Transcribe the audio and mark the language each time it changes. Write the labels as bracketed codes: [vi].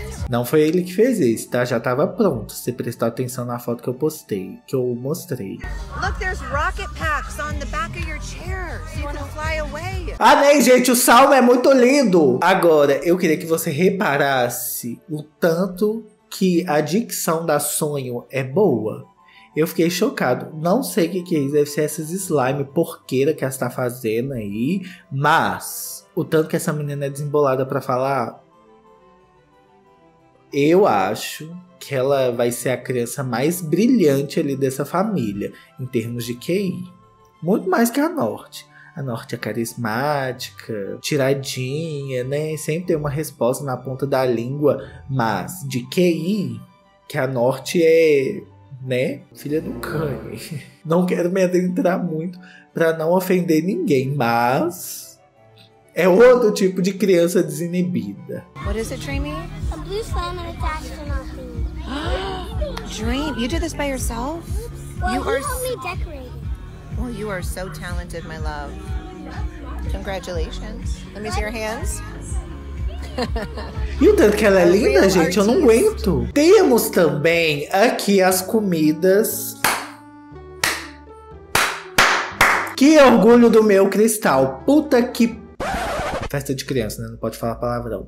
[pt] Não foi ele que fez esse, tá? Já tava pronto. Você prestou atenção na foto que eu postei, que eu mostrei. [en] Look, there's rocket packs on the back of your chair. You can fly away. [pt] Ah, né, gente, o Sal é muito lindo. Agora, eu queria que você reparasse o tanto que a dicção da Sonho é boa. Eu fiquei chocado. Não sei o que, que é isso. Deve ser essas slime porqueira que ela está fazendo aí. Mas, o tanto que essa menina é desembolada para falar. Eu acho que ela vai ser a criança mais brilhante ali dessa família. Em termos de QI. Muito mais que a Norte. A Norte é carismática, tiradinha, né? Sempre tem uma resposta na ponta da língua. Mas, de QI, que a Norte é... Né? Filha do Kanye. Não quero me adentrar muito pra não ofender ninguém, mas é outro tipo de criança desinibida. [en] What is it, Dreamy? A blue slime attached to nothing. Dream, you did this by yourself? Well, you are helped me decorate. Well, you are so talented, my love. Congratulations. Let me see your hands. [pt] E o tanto que ela é linda, gente, eu não aguento. Temos também aqui as comidas. Que orgulho do meu cristal. Puta que... Festa de criança, né? Não pode falar palavrão.